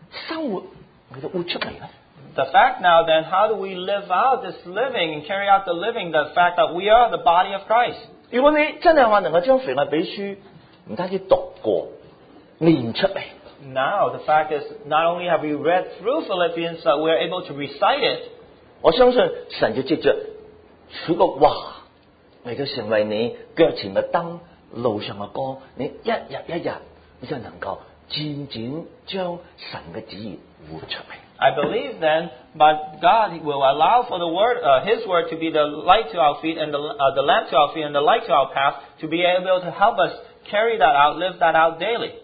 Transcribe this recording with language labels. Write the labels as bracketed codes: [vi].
[en] The fact now then, how do we live out this living and carry out the living, the fact that we are the body of Christ? Now, the fact is, not only have we read through Philippians, but we are able to recite it. [zh] 我相信神就藉着主的话，嚟到成为你脚前嘅灯、路上嘅光，你一日一日，你就能够渐渐将神嘅旨意活出嚟。 [en] I believe then, but God will allow for the word, His word to be the light to our feet and the lamp to our feet and the light to our path to be able to help us carry that out, live that out daily.